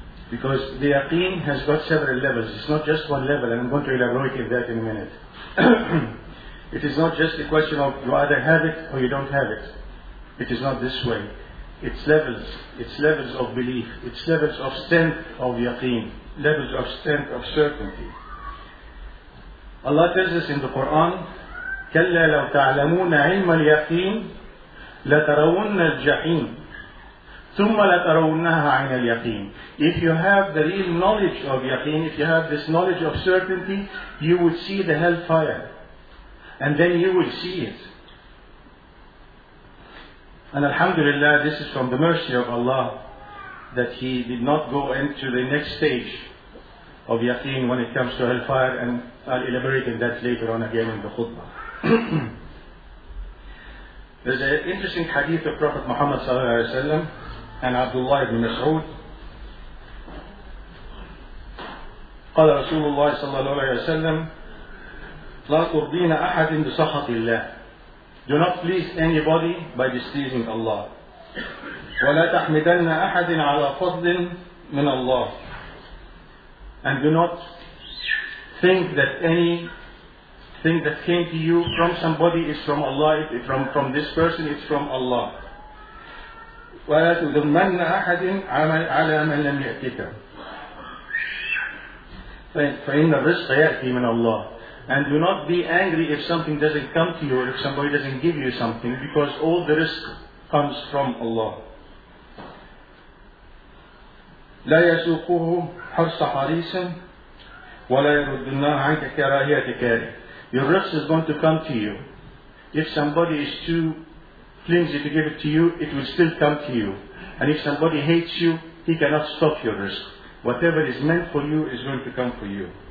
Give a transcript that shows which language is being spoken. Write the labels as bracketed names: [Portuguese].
[English] Because the yaqeen has got several levels. It's not just one level, and I'm going to elaborate on that in a minute. It is not just a question of you either have it or you don't have it. It is not this way. It's levels. It's levels of belief. It's levels of strength of yaqeen. Levels of strength of certainty. Allah tells us in the Quran, [Arabic] كَلَّا لَوْ تَعْلَمُونَ عِلْمَ الْيَقِينَ لَتَرَوُنَّ الْجَحِينَ ثُمَّ لَتَرَوُنَّهَا عِنَ الْيَقِينَ. [English] If you have the real knowledge of yaqeen, if you have this knowledge of certainty, you would see the hellfire. And then you would see it. And alhamdulillah, this is from the mercy of Allah, that He did not go into the next stage of yaqeen when it comes to hellfire, and I'll elaborate on that later on again in the khutbah. There's an interesting hadith of Prophet Muhammad sallallahu alaihi wasallam and Abdullah ibn Mas'ud. [Arabic] قال رسول الله صلى الله عليه وسلم لا ترضين أحد بسخط الله. [English] Do not please anybody by displeasing Allah. [Arabic] ولا تحمدن أحد على فضل من الله. [English] And do not think that any thing that came to you from somebody is from Allah. From this person, it's from Allah. [Arabic] ولا تذمن أحد على من لم يأتك. فإن الرزق يأتي من الله. [English] And do not be angry if something doesn't come to you or if somebody doesn't give you something, because all the risk comes from Allah. [Arabic] لا يسوقه حرص حريص ولا يردنها عنك كراهية كاره. [English] Your rizq is going to come to you. If somebody is too flimsy to give it to you, it will still come to you. And if somebody hates you, he cannot stop your rizq. Whatever is meant for you is going to come for you.